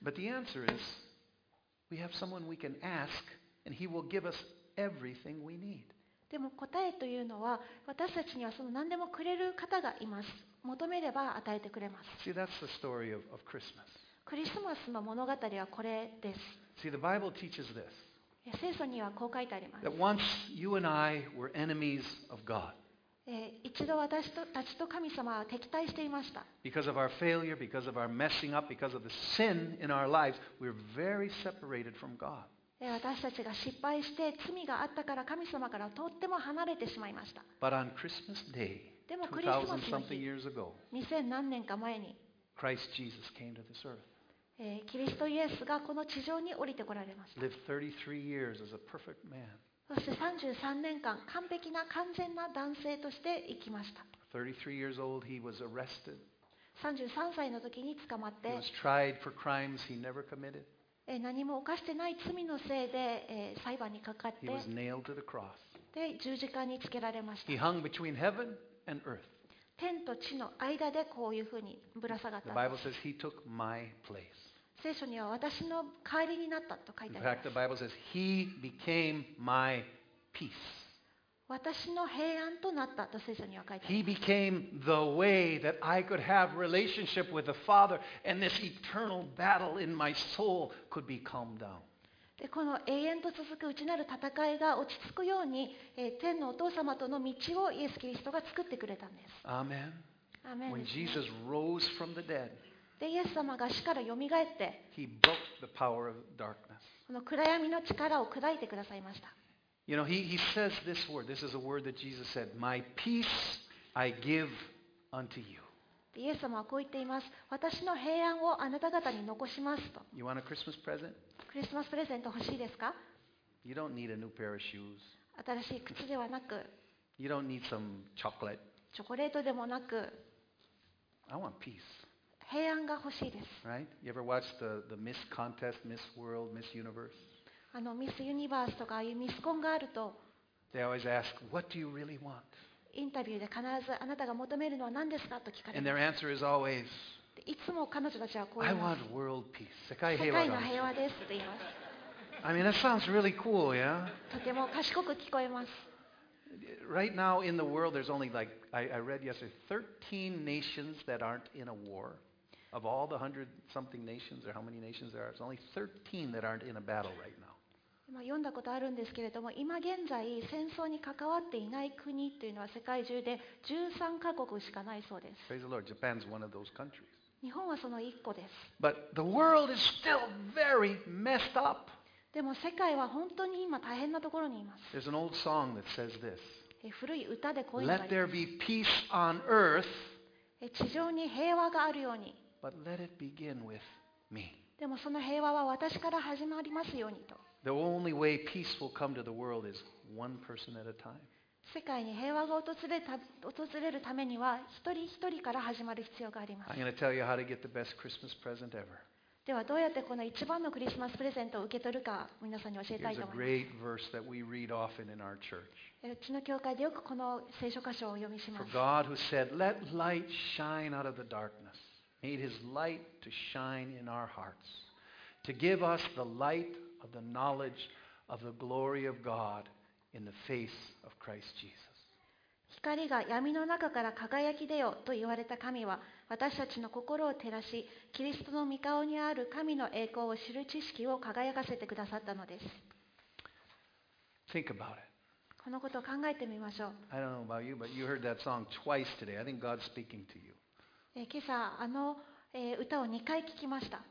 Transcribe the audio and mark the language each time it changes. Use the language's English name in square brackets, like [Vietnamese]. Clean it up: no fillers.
[English] But the answer is, we have someone we can ask, and he will give us everything we need. [Japanese] でも答えというのは私たちにはその何でもくれる方がいます。求めれば与えてくれます。 [English] See, that's the story of Christmas. [Japanese] クリスマスの物語はこれです。 [English] See, the Bible teaches this. [Japanese] 聖書にはこう書いてあります。 [English] That once you and I were enemies of God. [Japanese] 一度私たちと神様は敵対していました。 [English] Because of our failure, because of our messing up, because of the sin in our lives, we're very separated from God. [Japanese] 私たちが失敗して罪があったから神様からとっても離れてしまいました。 [English] But on Christmas Day, 2000 something years ago, [Japanese] 2000何年か前に、 [English] Christ Jesus came to this earth. [Japanese] キリストイエスがこの地上に降りてこられました。 [English] Lived 33 years as a perfect man. [Japanese] そして33年間完璧な完全な男性として生きました。 33 歳の時に捕まって、 [English] He was tried for crimes he never committed. [Japanese] 何も犯してない罪のせいで、裁判にかかって、 [English] He was nailed to the cross. [Japanese] で十字架につけられました。 [English] He hung between heaven and earth. [Japanese] 天と地の間でこういうふうにぶら下がった。 [English] The Bible says he took my place. [Japanese] 聖書には私の代わりになったと書いてあります。 [English] In fact, the Bible says, He became my peace. [Japanese] 私の平安となったと聖書には書いてあります。 [English] He became the way that I could have relationship with the Father and this eternal battle in my soul could be calmed down. [Japanese] で、この永遠と続く内なる戦いが落ち着くように、天のお父様との道をイエス・キリストが作ってくれたんです。 [English] Amen. Amen. When Jesus rose from the dead, [Japanese] でイエス様が死から蘇って、 [English] He broke the power of darkness. [Japanese] この暗闇の力を砕いてくださいました。 [English] You know, he says this word. This is a word that Jesus said. My peace I give unto you. [Japanese] イエス様はこう言っています。私の平安をあなた方に残しますと。 [English] You want a Christmas present? [Japanese] クリスマスプレゼント欲しいですか [English] ？You don't need a new pair of shoes. [Japanese] 新しい靴ではなく、 [English] You don't need some chocolate. [Japanese] チョコレートでもなく、 [English] I want peace. [Japanese] 平安が欲しいです。 [English] Right? You ever watch the Miss Contest, Miss World, Miss Universe? [Japanese] Miss Universe とかああいうミスコンがあると、 [English] They always ask, What do you really want? [Japanese] インタビューで必ずあなたが求めるのは何ですかと聞かれます。 [English] And their answer is always, [Japanese] いつも彼女たちはこう言います。 [English] I want world peace. [Japanese] 世界平和です。世界の平和ですと言います。 [English] I mean, that sounds really cool, yeah? [Japanese] とても賢く聞こえます。 [English] Right now in the world, there's only like, I read yesterday, 13 nations that aren't in a war. Of all the 100 something nations, or how many nations there are, it's only 13 that aren't in a battle right now. [Japanese] 今読んだことあるんですけれども、今現在戦争に関わっていない国というのは世界中で13カ国しかないそうです。 [English] Praise the Lord, Japan's one of those countries. [Japanese] 日本はその1個です。 [English] But the world is still very messed up. [Japanese] でも世界は本当に今大変なところにいます。 [English] There's an old song that says this. [Japanese] 古い歌でこう言います。 [English] Let there be peace on earth. [Japanese] 地上に平和があるように。 [English] But let it begin with me. [Japanese] でもその平和は私から始まりますようにと。 [English] The only way peace will come to the world is one person at a time. [Japanese] 世界に平和が訪れるためには一人一人から始まる必要があります。 [English] I'm going to tell you how to get the best Christmas present ever. [Japanese] ではどうやってこの一番のクリスマスプレゼントを受け取るか皆さんに教えたいと思います。うちの教会でよくこの聖書箇所をお読みします。 [English] For God who said, "Let light shine out of the darkness, made His light to shine in our hearts, to give us the light of the knowledge of the glory of God in the face of Christ Jesus." [Japanese] 光が闇の中から輝き出よと言われた神は私たちの心を照らしキリストの御顔にある神の栄光を知る知識を輝かせてくださったのです。 [English] Think about it. [Japanese] このことを考えてみましょう。 [English] I don't know about you, but you heard that song twice today. I think God's speaking to you. [Japanese] 今朝あの歌を2回聴きました。